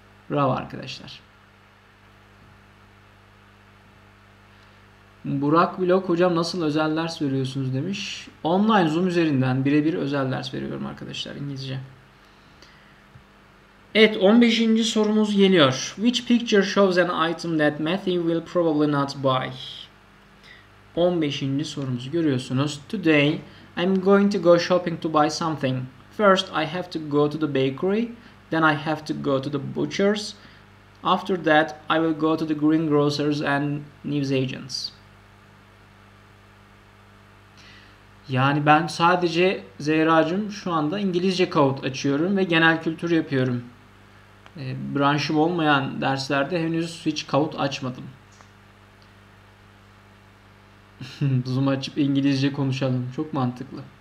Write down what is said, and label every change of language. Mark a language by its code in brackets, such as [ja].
[tr] Bravo arkadaşlar. Burak Blok hocam nasıl özel ders veriyorsunuz demiş. Online Zoom üzerinden birebir özel ders veriyorum arkadaşlar İngilizce. Evet, 15. sorumuz geliyor. [en] Which picture shows an item that Matthew will probably not buy? 15. [tr] sorumuzu görüyorsunuz. [en] Today I'm going to go shopping to buy something. First I have to go to the bakery, then I have to go to the butchers. After that I will go to the greengrocers and newsagents. [tr] Yani ben sadece Zehracığım şu anda İngilizce kağıt açıyorum ve genel kültür yapıyorum. Branşım olmayan derslerde henüz hiç kağıt açmadım. Zoom açıp İngilizce konuşalım. Çok mantıklı.